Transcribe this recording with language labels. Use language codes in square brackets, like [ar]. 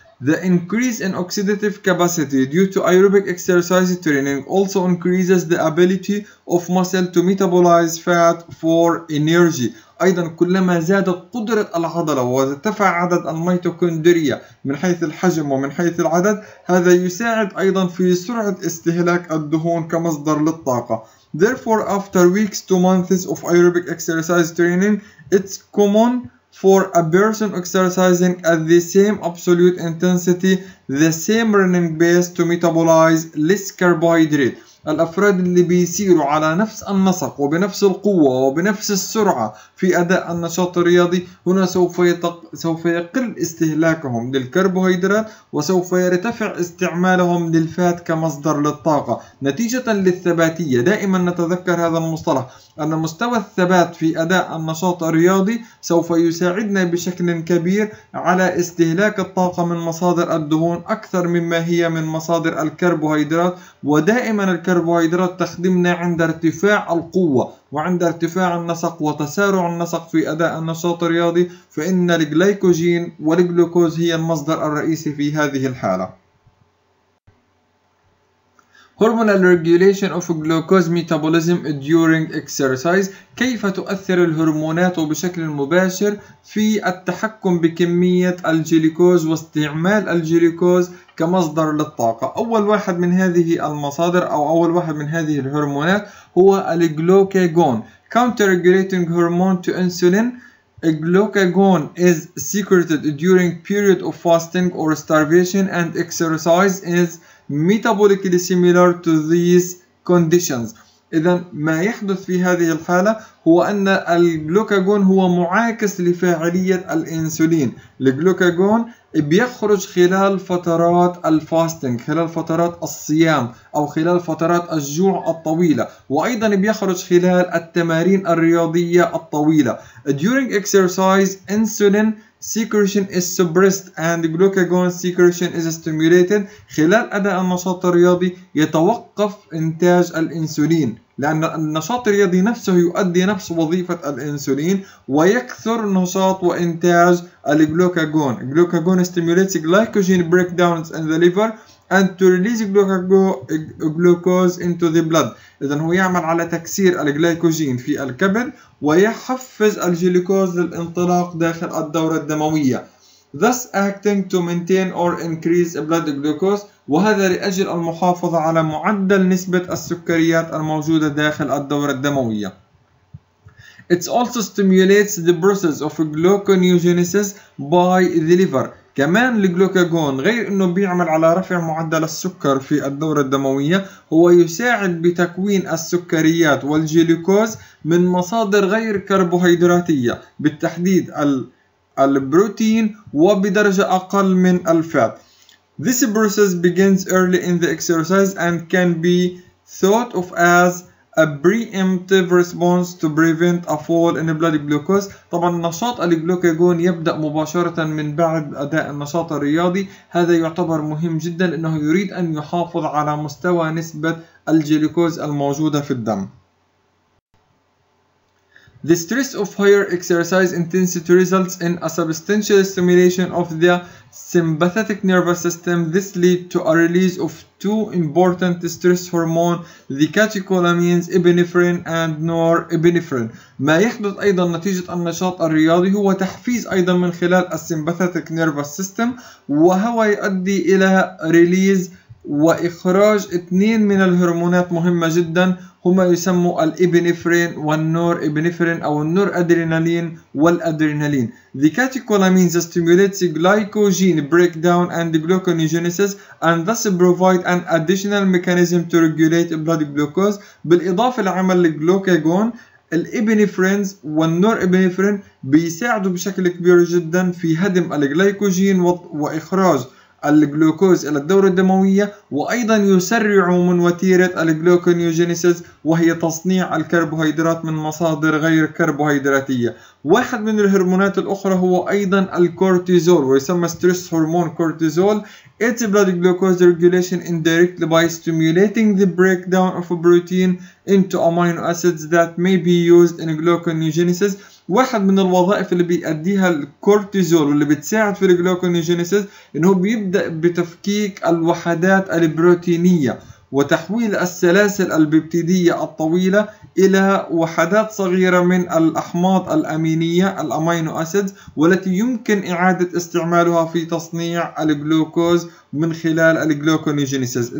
[en] The increase in oxidative capacity due to aerobic exercise training also increases the ability of muscle to metabolize fat for energy. [ar] أيضا كلما زادت قدرة العضلة وارتفع عدد الميتوكوندريا من حيث الحجم ومن حيث العدد، هذا يساعد أيضا في سرعة استهلاك الدهون كمصدر للطاقة. [en] Therefore, after weeks to months of aerobic exercise training, it's common for a person exercising at the same absolute intensity, the same running pace to metabolize less carbohydrate. [ar] الأفراد اللي بيسيروا على نفس النسق وبنفس القوة وبنفس السرعة في أداء النشاط الرياضي، هنا سوف يقل استهلاكهم للكربوهيدرات وسوف يرتفع استعمالهم للفات كمصدر للطاقة نتيجة للثباتية. دائما نتذكر هذا المصطلح، أن مستوى الثبات في أداء النشاط الرياضي سوف يساعدنا بشكل كبير على استهلاك الطاقة من مصادر الدهون أكثر مما هي من مصادر الكربوهيدرات، ودائما الكربوهيدرات تخدمنا عند ارتفاع القوة وعند ارتفاع النسق وتسارع النسق في أداء النشاط الرياضي، فإن الجليكوجين والجلوكوز هي المصدر الرئيسي في هذه الحالة. [en] Hormonal regulation of glucose metabolism during exercise. [ar] كيف تؤثر الهرمونات بشكل مباشر في التحكم بكمية الجليكوز واستعمال الجليكوز كمصدر للطاقة؟ أول واحد من هذه المصادر أو أول واحد من هذه الهرمونات هو الجلوكاجون. [en] Counter regulating hormone to insulin. Glucagon is secreted during period of fasting or starvation and exercise is metabolically similar to these conditions. [ar] إذا ما يحدث في هذه الحالة هو أن الجلوكاجون هو معاكس لفاعلية الإنسولين. الجلوكاجون بيخرج خلال فترات الفاستنج، خلال فترات الصيام أو خلال فترات الجوع الطويلة، وأيضا بيخرج خلال التمارين الرياضية الطويلة. [en] During exercise insulin secretion is suppressed and glucagon secretion is stimulated. [ar] خلال أداء النشاط الرياضي يتوقف إنتاج الإنسولين، لأن النشاط الرياضي نفسه يؤدي نفس وظيفة الإنسولين، ويكثر نشاط وإنتاج الجلوكاجون. [en] Glucagon stimulates glycogen breakdowns in the liver and to release glucose into the blood. [ar] إذن هو يعمل على تكسير الجليكوجين في الكبد ويحفز الجلوكوز للانطلاق داخل الدورة الدموية. [en] Thus acting to maintain or increase blood glucose. [ar] وهذا لأجل المحافظة على معدل نسبة السكريات الموجودة داخل الدورة الدموية. [en] It also stimulates the process of gluconeogenesis by the liver. [ar] كمان الجلوكاجون غير انه بيعمل على رفع معدل السكر في الدورة الدموية، هو يساعد بتكوين السكريات والجلوكوز من مصادر غير كربوهيدراتية، بالتحديد البروتين وبدرجة اقل من الفات. [en] This process begins early in the exercise and can be thought of as a preemptive response to prevent a fall in blood glucose. [ar] طبعا نشاط الجلوكاجون يبدأ مباشرة من بعد أداء النشاط الرياضي، هذا يعتبر مهم جدا لأنه يريد أن يحافظ على مستوى نسبة الجلوكوز الموجودة في الدم. [en] The stress of higher exercise intensity results in a substantial stimulation of the sympathetic nervous system. This leads to a release of two important stress hormones, the catecholamines, epinephrine and norepinephrine. [ar] ما يحدث أيضا نتيجة النشاط الرياضي هو تحفيز أيضا من خلال [en] the sympathetic nervous system، [ar] وهو يؤدي إلى release وإخراج اثنين من الهرمونات مهمة جدا، هما يسموا الإبنفرين والنور إبنفرين أو النور أدرينالين والأدرينالين. [en] The catecholamines stimulates glycogen breakdown and gluconeogenesis and thus provide an additional mechanism to regulate blood glucose. [ar] بالإضافة لعمل الجلوكاجون، الإبنفرين والنور إبنفرين بيساعدوا بشكل كبير جدا في هدم الجلايكوجين وإخراج الجلوكوز إلى الدورة الدموية، وأيضا يسرع من وتيرة الجلوكونيوجينيسيس وهي تصنيع الكربوهيدرات من مصادر غير كربوهيدراتية. واحد من الهرمونات الأخرى هو أيضا الكورتيزول ويسمى ستريس هرمون كورتيزول. [en] It's blood glucose regulation indirectly by stimulating the breakdown of a protein into amino acids that may be used in gluconeogenesis. [ar] واحد من الوظائف اللي بيأديها الكورتيزول واللي بتساعد في الجلوكونيوجينيسيس انه بيبدأ بتفكيك الوحدات البروتينية وتحويل السلاسل البيبتيدية الطويلة إلى وحدات صغيرة من الأحماض الأمينية الأمينو أسيدز والتي يمكن إعادة استعمالها في تصنيع الجلوكوز من خلال الجلوكونيوجينيسيس.